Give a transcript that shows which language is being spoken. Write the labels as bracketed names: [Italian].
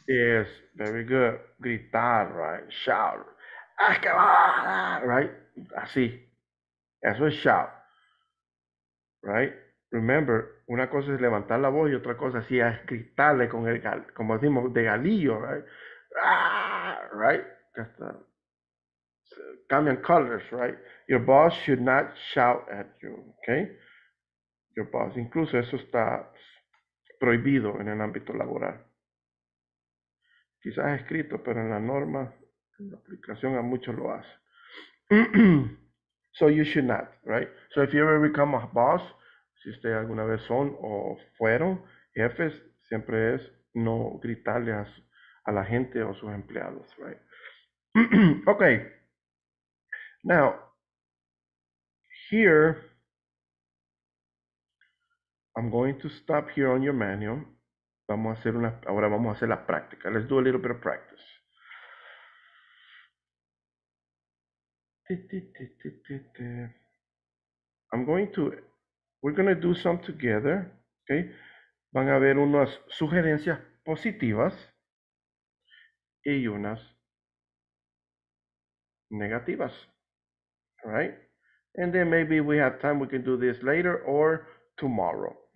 [English] Yes, very good. [Spanish] Gritar, [English] right? Shout. Ah, que ah, right? Así. That's what shout. Right? [Spanish] Remember, una cosa es levantar la voz y otra cosa así es gritarle con el gal, como decimos, de galillo, right? [English] Ah, right? So, [Spanish] cambian [English] colors, right? Your boss should not shout at you, okay? Your boss. [Spanish] Incluso eso está prohibido en el ámbito laboral. Quizás escrito, pero en la norma, en la aplicación, a muchos lo hacen. [English] So you should not, right? So if you ever become a boss, [Spanish] si usted alguna vez son o fueron jefes, siempre es no gritarle a la gente o sus empleados, right? Okay. [English] Now, here, I'm going to stop here on your manual. [Spanish] Vamos a hacer una, ahora vamos a hacer la práctica. [English] Let's do a little bit of practice. We're going to do some together. Okay. [Spanish] Van a haber unas sugerencias positivas y unas negativas. [English] All right. And then maybe we have time, we can do this later or tomorrow.